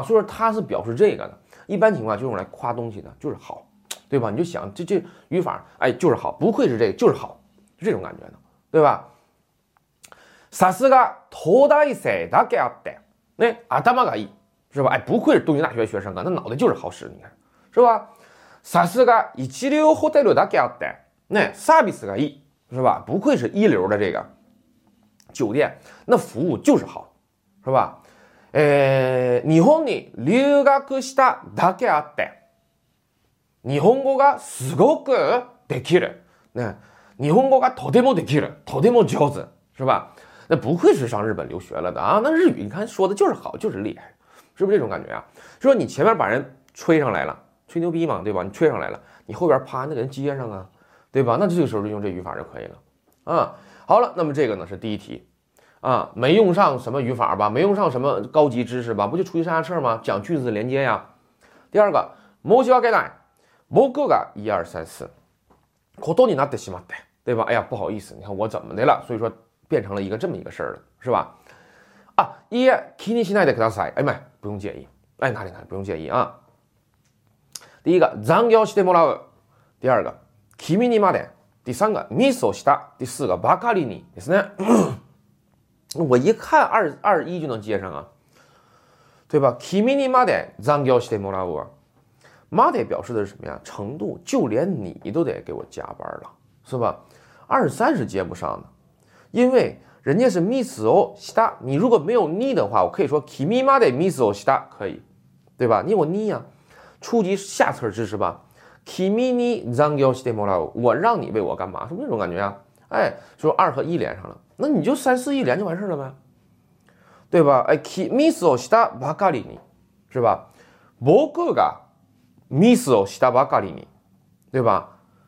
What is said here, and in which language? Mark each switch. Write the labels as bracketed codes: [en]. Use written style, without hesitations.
[zh] 所以说他是表示这个的，一般情况就用来夸东西的，就是好，对吧？你就想这语法，哎，就是好，不愧是这个，就是好，这种感觉的，对吧？ [ja] さすが東大生だけあって， [zh] 那 [ja] 頭がいい， [zh] 是吧？哎，不愧是东京大学学生啊，那脑袋就是好使，你看，是吧？ [ja] さすが一流ホテルだけあって，那サービスがいい， [zh] 是吧？不愧是一流的这个酒店，那服务就是好，是吧？ [ja] 日本に留学しただけあって。日本語がすごくできる，日本語がとてもできる，とても上手， [zh] 是吧？那不愧是上日本留学了的啊，那日语你看说的就是好，就是厉害，是不是这种感觉啊？就说你前面把人吹上来了，吹牛逼嘛，对吧？你吹上来了，你后边啪那个人接上啊，对吧？那这个时候就用这语法就可以了啊。好了，那么这个呢是第一题啊，没用上什么语法吧？没用上什么高级知识吧？不就出去上下册吗？讲句子连接呀。第二个， [ja] 申し訳ない。僕が一二三四。ことになってしまって、 [zh] 对吧？哎呀，不好意思，你看我怎么的了？所以说变成了一个这么一个事儿了，是吧？啊， [ja] いや、気にしないでください。 [zh] 哎，妈，不用介意。哎，哪里哪里，不用介意啊。第一个， [ja] 残業してもらう。 [zh] 第二个， [ja] 君にまで。 [zh] 第三个， [ja] ミスをした。 [zh] 第四个， [ja] ばかりにですね。 [zh] 我一看二一就能接上啊，对吧？ [ja] 君にまで残業してもらう。 [zh] まで表示的是什么呀？程度，就连你都得给我加班了，是吧？二三是接不上的，因为人家是 [ja] ミスをした。 [zh] 你如果没有你的话，我可以说 [ja] 君までミスをした， [zh] 可以，对吧？你有你呀，初级下册知识吧。 [ja] 君に残業してもらう， [zh] 我让你为我干嘛？是不是这种感觉啊？哎，说二和一连上了，那你就三四一连就完事了呗，对吧？ [ja] 哎，ミスをしたばかりに， [zh] 是吧？ [ja] 僕がミスをしたばかりに， [zh] 对吧？